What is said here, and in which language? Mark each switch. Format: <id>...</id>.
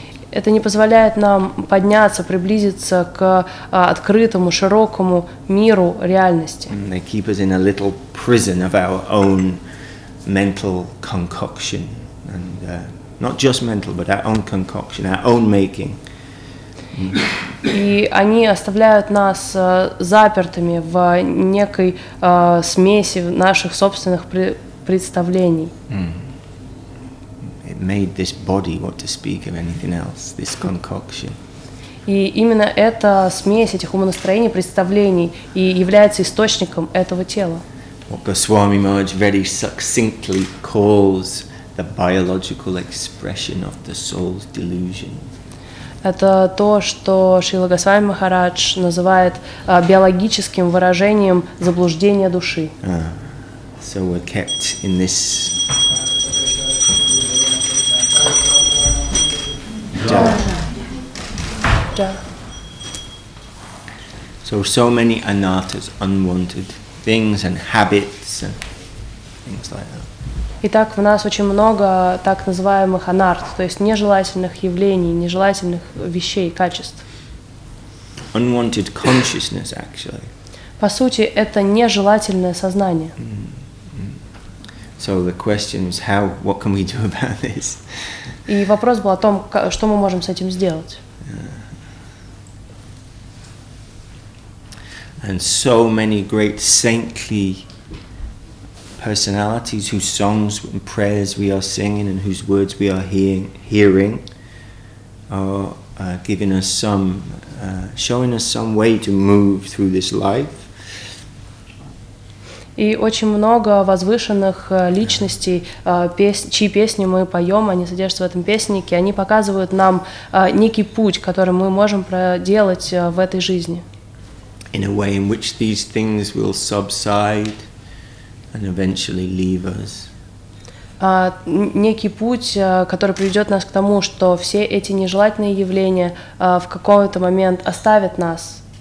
<ru>Это не позволяет нам подняться, приблизиться к открытому, широкому миру реальности.</ru> <en>And they keep us in a little prison of our own mental concoction, and not just mental, but our own concoction, our own making.</en> <ru>И они оставляют нас запертыми в некой смеси наших собственных представлений.</ru> <en>It made this body, what to speak of anything else, this concoction.</en> <ru>И именно эта смесь этих умонастроений, представлений и является источником этого тела.</ru> <en>What Goswami Maharaj very succinctly calls the biological expression of the soul's delusion.</en> <ru>Это то, что Шрила Госвами Махарадж называет биологическим выражением заблуждения души.</ru> <en>So we're kept in this jhala. So many anattas, unwanted things and habits and things like that.</en> <ru>Итак, в нас очень много так называемых анарт, то есть нежелательных явлений, нежелательных вещей, качеств.</ru> <en>Unwanted consciousness, actually.</en> <ru>По сути, это нежелательное сознание.</ru> <en>So the question is how, what can we do about this?</en> <ru>И вопрос был о том, что мы можем с этим сделать.</ru> <en>And so many great saintly personalities whose songs and prayers we are singing and whose words we are hearing are giving us some, showing us some way to move through this life.</en> <ru>И очень много возвышенных личностей, чьи песни мы поем, они содержатся в этом песеннике, они показывают нам некий путь, который мы можем проделать в этой жизни.</ru> <en>In a way in which these things will subside and eventually leave us.</en> <ru>Некий путь, который приведет нас к тому, что все эти нежелательные явления в какой-то момент оставят нас.</ru>